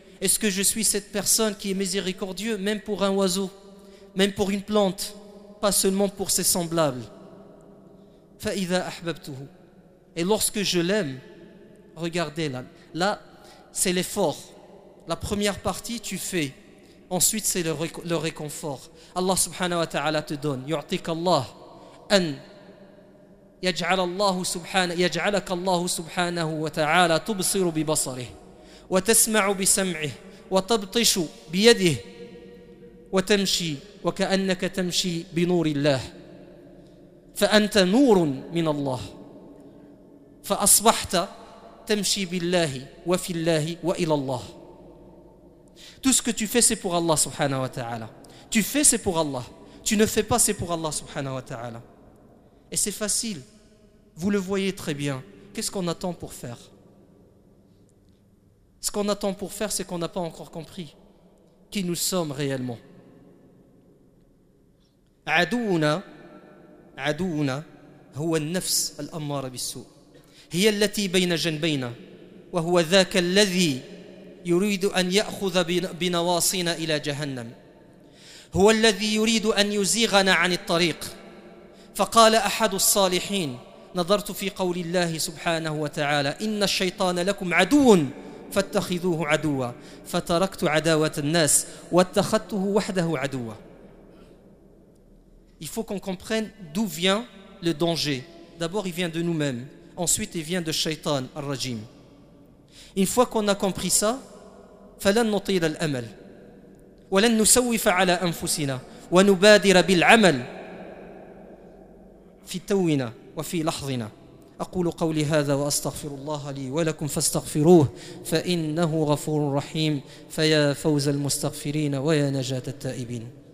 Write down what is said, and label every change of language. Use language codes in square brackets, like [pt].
[fr] Est-ce que je suis cette personne qui est miséricordieuse même pour un oiseau, même pour une plante, pas seulement pour ses semblables? [ar] فَإِذَا أَحْبَبْتُهُ. [fr] Et lorsque je l'aime, regardez là, là c'est l'effort. La première partie tu fais, ensuite c'est le réconfort. Allah subhanahu wa ta'ala te donne. [ar] يُعْتِكَ اللَّهُ أَنْ يَجْعَلَ اللَّهُ سُبْحَانَهُ يَجْعَلَكَ اللَّهُ سُبْحَانَهُ وَتَعَالَى تُبْصِرُ بِبَصَرِهِ وَتَسْمَعُ بِسَمْعِهِ وَتَبْطِشُ بِيَدِهِ وَتَمْشِي وكأنك تمشي بنور الله فأنت نور من الله فأصبحت تمشي بالله وفي الله وإلى الله. [fr] Tout ce que tu fais c'est pour Allah subhanahu wa ta'ala. Tu fais c'est pour Allah. Tu ne fais pas c'est pour Allah subhanahu wa ta'ala. Et c'est facile. Vous le voyez très bien. Qu'est-ce qu'on attend pour faire? Ce qu'on attend pour faire, c'est qu'on n'a pas encore compris qui nous sommes réellement. [ar] عدونا هو النفس الأمارة بالسوء هي التي بين جنبينا وهو ذاك الذي يريد أن يأخذ بنواصينا إلى جهنم هو الذي يريد أن يزيغنا عن الطريق. فقال أحد الصالحين: نظرت في قول الله سبحانه وتعالى: إن الشيطان لكم عدو فاتخذوه عدوا فتركت عداوة الناس واتخذته وحده عدوا. [fr] Il faut qu'on comprenne d'où vient le danger. D'abord, il vient de nous-mêmes. Ensuite, il vient de Shaitan al-Rajim. Une fois qu'on a compris ça, [ar] فَلَنْ نُطِيلَ الْأَمَلْ وَلَنْ نُسَوِّفَ عَلَىٰ أَنفُسِنَا وَنُبَادِرَ بِالْعَمَلْ فِي تَوِّنَا وَفِي لَحْظِنَا أَقُولُ قَوْلِ هَذَا وَأَسْتَغْفِرُ اللَّهَ لِي وَلَكُمْ فَاسْتَغْفِرُوهُ فَإِنَّهُ غَفُورٌ رَحِيمٌ فَيَا فَوْزَ الْمُسْتَغْفِرِينَ وَيَا نَجَاةَ التَّائِبِينَ.